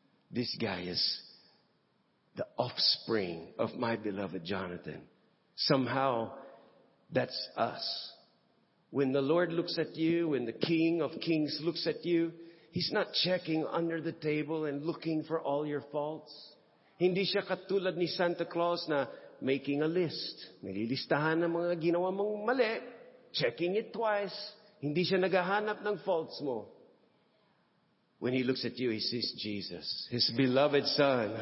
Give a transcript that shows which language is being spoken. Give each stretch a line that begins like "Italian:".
English: This guy is the offspring of my beloved Jonathan. Somehow, that's us. When the Lord looks at you, when the King of Kings looks at you, He's not checking under the table and looking for all your faults.
Filipino: Hindi siya katulad ni Santa Claus na
English: making a list.
Filipino: Nililistahan ng mga ginawa mong mali.
English: Checking it twice.
Filipino: Hindi siya naghahanap ng faults mo.
English: When he looks at you, he sees Jesus, his beloved son.